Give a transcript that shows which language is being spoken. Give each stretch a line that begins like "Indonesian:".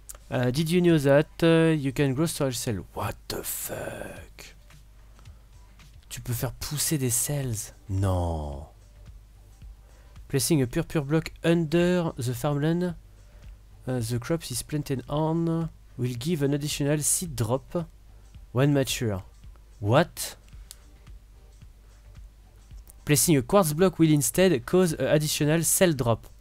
English: Did you know that you can grow storage cells? What the fuck?
French: Tu peux faire pousser des cells? Non.
English: Placing a pure block under the farmland. The crops is planted on will give an additional seed drop when mature. What? Placing a quartz block will instead cause an additional cell drop.